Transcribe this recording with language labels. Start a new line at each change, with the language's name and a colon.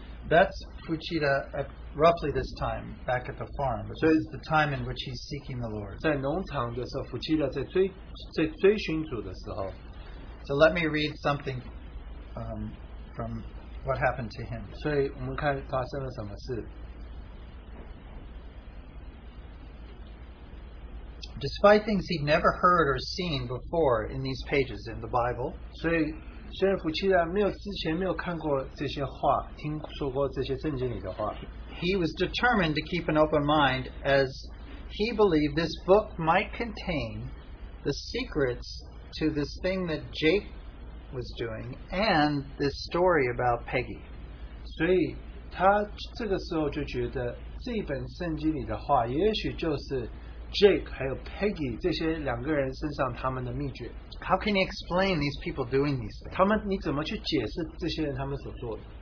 English: That's Fuchida at roughly this time back at the farm. So it's the time in which he's seeking the Lord.
Chinese: 在农场的时候，福基德在追寻主的时候。
English: So let me read something from what happened to him.
Chinese: 所以我们看发生了什么事。
English: Despite things he'd never heard or seen before in these pages in the Bible.
Chinese: 所以虽然福奇达没有之前没有看过这些话，听说过这些圣经里的话。
English: He was determined to keep an open mind as he believed this book might contain the secrets to this thing that Jake was doing and this story about Peggy.
Chinese: 所以他这个时候就觉得这本圣经里的话也许就是 Jake 还有 Peggy 这些两个人身上他们的秘诀。
English: How can he explain these people doing these things?
Chinese: 他们你怎么去解释这些人他们所做的？